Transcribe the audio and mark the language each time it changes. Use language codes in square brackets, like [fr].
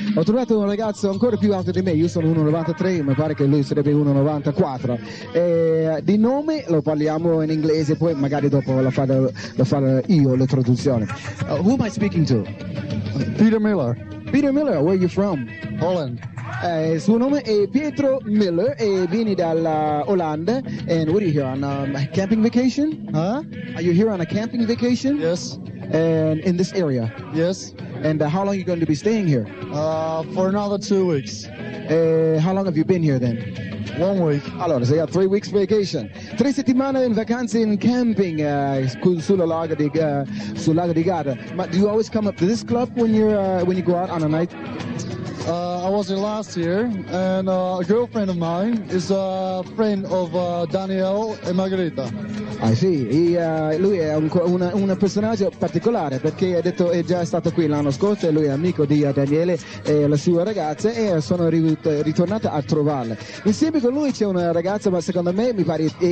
[it] Ho trovato un ragazzo ancora più alto di me, io sono 1,93, mi pare che lui sarebbe 1,94. Di nome lo parliamo in inglese, poi magari dopo lo farò io la traduzione. [en] Who am I speaking to? Peter Miller. Peter Miller, where are you from? Holland. [it] Suo nome è Pietro Miller e vieni dalla Olanda. [en] And what are you here on, camping vacation? Huh? Are you here on a camping vacation? Yes. And in this area? Yes. And how long are you going to be staying here? For another 2 weeks. How long have you been here then? 1 week. Allora, so you have 3 weeks vacation. [it] 3 settimane in vacanza in camping sul lago di Garda. [en] But do you always come up to this club when you go out on a night? I was here last year, and a girlfriend of mine is a friend of Daniel and Margherita. [it] Ah sì, lui è un personaggio particolare, perché ha detto è già stato qui l'anno scorso, e lui è amico di Daniele e la sua ragazza, e sono ritornato a trovarla. Insieme con lui c'è una ragazza, ma secondo me mi pare...